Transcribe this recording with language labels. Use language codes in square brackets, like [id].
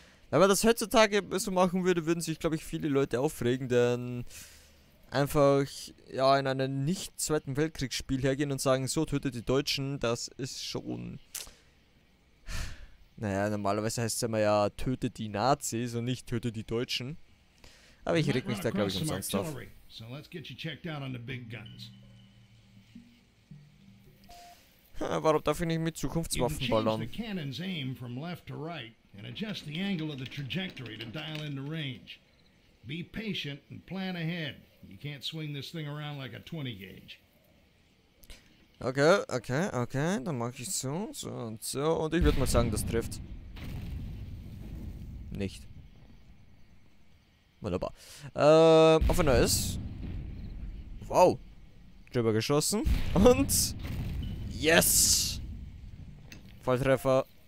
[de] Wenn man das heutzutage so machen würde, würden sich, glaube ich, viele Leute aufregen, denn einfach ja in einem nicht-Zweiten Weltkriegsspiel hergehen und sagen, so tötet die Deutschen, das ist schon. Naja, normalerweise heißt es immer ja, töte die Nazis und nicht töte die Deutschen. Aber ich reg mich da, glaube ich, umsonst auf. [en] So let's get you checked out on the big guns. [de] Warum darf ich nicht mit Zukunftswaffen ballern? [en] You can change the cannon's aim from left to right and adjust the angle of the trajectory to dial in the range. Be patient and plan ahead. You can't swing this thing around like a 20 gauge. [de] Okay, dann mache ich so, so und so. Und ich würde mal sagen, das trifft. Nicht. Wunderbar. Auf ein neues. Wow. Drüber geschossen. Und. Yes! Volltreffer.